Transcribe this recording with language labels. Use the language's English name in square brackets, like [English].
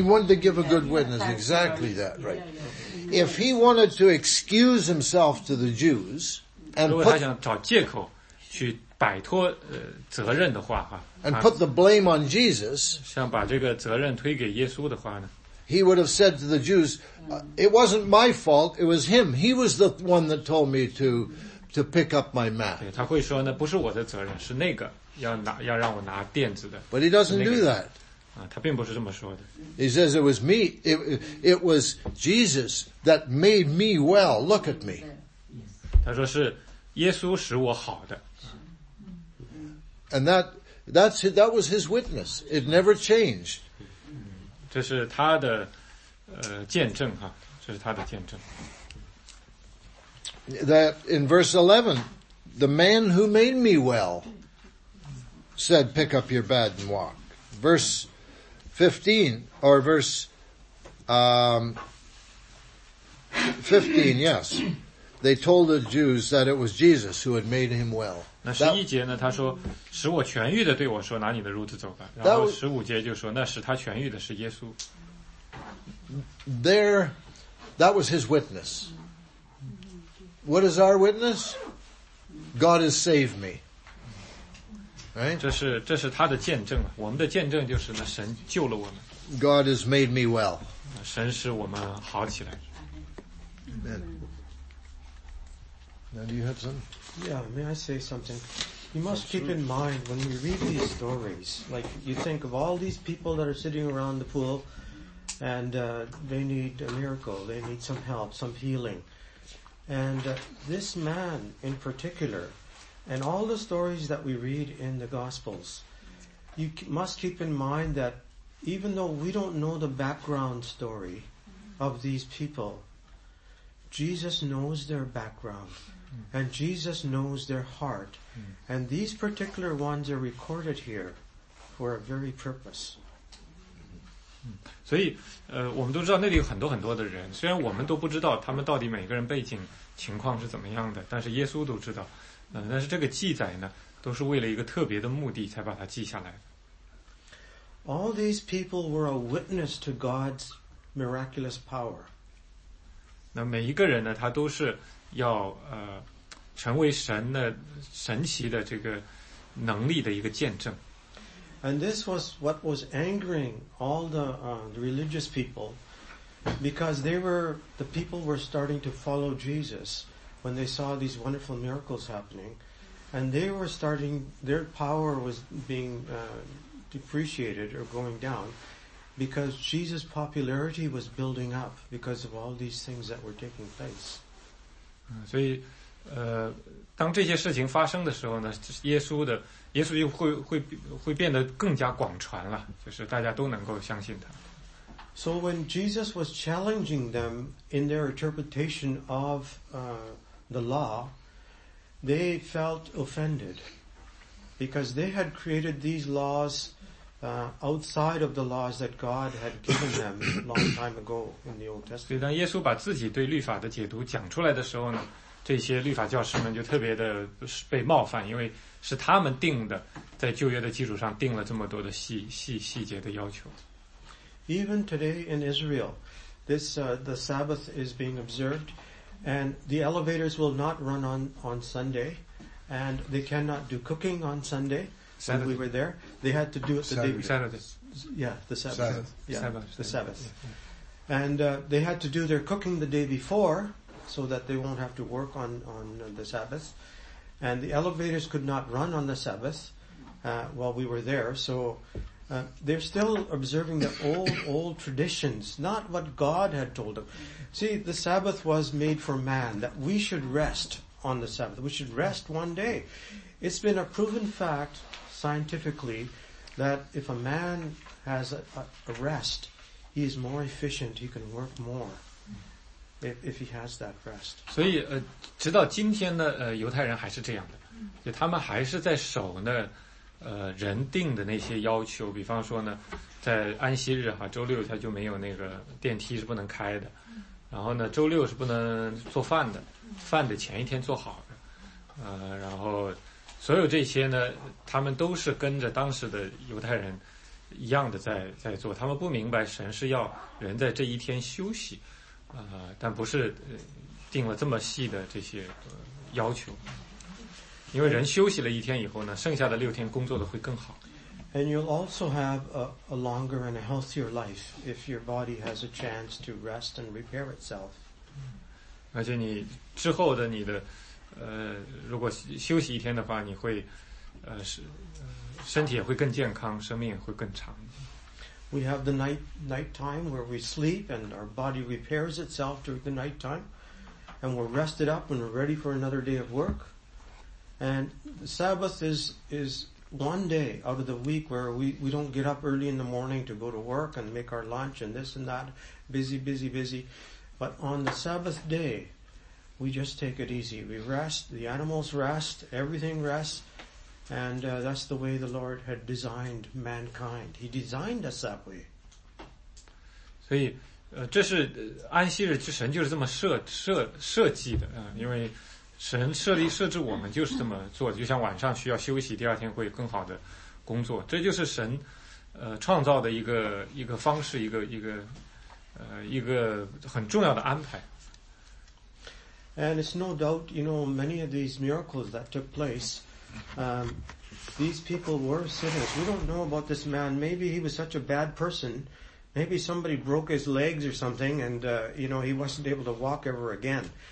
[English] He wanted to give a good witness. Exactly that, right? If he wanted to excuse himself to the Jews, and [Chinese] 如果他想找借口去摆脱责任的话哈 [English] ，and put the blame on Jesus， [Chinese] 想把这个责任推给耶稣的话呢？ [English] He would have said to the Jews, "It wasn't my fault. It was him. He was the one that told me to pick up my mat." [Chinese] 对，他会说呢，不是我的责任，是那个要让我拿垫子的。 [English] But he doesn't do that. [Chinese] 他并不是这么说的。 [English] He says it was me. It was Jesus that made me well. Look at me. [Chinese] 他说是耶稣使我好的。 [English] And that was his witness. It never changed. [Chinese] 这是他的见证哈，这是他的见证。 [English] That in verse 11, the man who made me well said, "Pick up your bed and walk." Verse 15 or verse 15, yes, they told the Jews that it was Jesus who had made him well. [Chinese] 那十一节呢？他说：“使我痊愈的对我说，拿你的褥子走吧。” 然后十五节就说：“那使他痊愈的是耶稣。” [English] There, that was his witness. What is our witness? God has saved me. Right? [Chinese] 这是他的见证。我们的见证就是呢，神救了我们。 [English] God has made me well. [Chinese] 神使我们好起来。 [English] Amen. Now, do you have some? Yeah, may I say something? You must keep in mind when we read these stories, like you think of all these people that are sitting around the pool and they need a miracle, they need some help, some healing. And this man in particular, and all the stories that we read in the Gospels, you must keep in mind that even though we don't know the background story of these people, Jesus knows their background. And Jesus knows their heart. And these particular ones are recorded here for a very purpose. [Chinese] 所以我们都知道那里有很多很多的人，虽然我们都不知道他们到底每个人背景情况是怎么样的，但是耶稣都知道。但是这个记载呢，都是为了一个特别的目的才把它记下来。 [English] All these people were a witness to God's miraculous power. [Chinese] 那每一个人呢，他都是要成为神的神奇的这个能力的一个见证。 [English] And this was what was angering all the religious people, because the people were starting to follow Jesus when they saw these wonderful miracles happening, and they were starting, their power was being depreciated or going down, because Jesus' popularity was building up because of all these things that were taking place. [Chinese] 所以当这些事情发生的时候呢，耶稣就会变得更加广传了，就是大家都能够相信他。 [English] So when Jesus was challenging them in their interpretation of the law, they felt offended because they had created these laws outside of the laws that God had given them long time ago in the Old Testament. [Chinese] 所以当耶稣把自己对律法的解读讲出来的时候呢，这些律法教师们就特别的被冒犯，因为是他们定的，在旧约的基础上定了这么多的细节的要求。 [English] Even today in Israel, the Sabbath is being observed, and the elevators will not run on Sunday, and they cannot do cooking on Sunday. Saturday. When we were there, they had to do it the Saturday. Day before. Saturday. Yeah, the Sabbath. Sabbath. Yeah, Sabbath. The Sabbath. Yeah. And they had to do their cooking the day before, so that they won't have to work on the Sabbath. And the elevators could not run on the Sabbath while we were there. So they're still observing the old traditions, not what God had told them. See, the Sabbath was made for man, that we should rest on the Sabbath. We should rest one day. It's been a proven fact scientifically that if a man has a rest, he is more efficient, he can work more. If he has that rest. [Chinese] 所以直到今天呢犹太人还是这样的。就他们还是在守呢人定的那些要求，比方说呢在安息日哈，周六他就没有那个电梯是不能开的。然后呢周六是不能做饭的，饭的前一天做好的。然后所有这些呢他们都是跟着当时的犹太人一样的在做。他们不明白神是要人在这一天休息。但不是定了这么细的这些要求，因为人休息了一天以后呢，剩下的六天工作的会更好。 [English] And you'll also have a longer and a healthier life if your body has a chance to rest and repair itself. [Chinese] 而且你之后的你的如果休息一天的话，你会身体也会更健康，生命也会更长。 [English] We have the night time where we sleep and our body repairs itself during the night time, and we're rested up and we're ready for another day of work. And the Sabbath is one day out of the week where we don't get up early in the morning to go to work and make our lunch and this and that, busy, busy, busy. But on the Sabbath day, we just take it easy. We rest, the animals rest, everything rests. And that's the way the Lord had designed mankind. He designed us that way. [Chinese] 所以，这是安息日，神就是这么设计的啊！因为神设置我们就是这么做，就像晚上需要休息，第二天会更好的工作。这就是神创造的一个方式，一个很重要的安排。 [English] And it's no doubt, you know, many of these miracles that took place. These people were sinners. We don't know about this man. Maybe he was such a bad person. Maybe somebody broke his legs or something and, you know, he wasn't able to walk ever again.